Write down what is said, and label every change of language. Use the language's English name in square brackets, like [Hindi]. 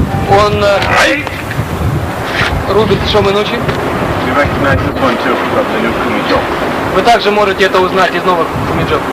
[Russian] Он рубит Shomenuchi. [English] You recognize this one too from the new Kumijo. [Russian] Вы также можете это узнать из новых Kumijo.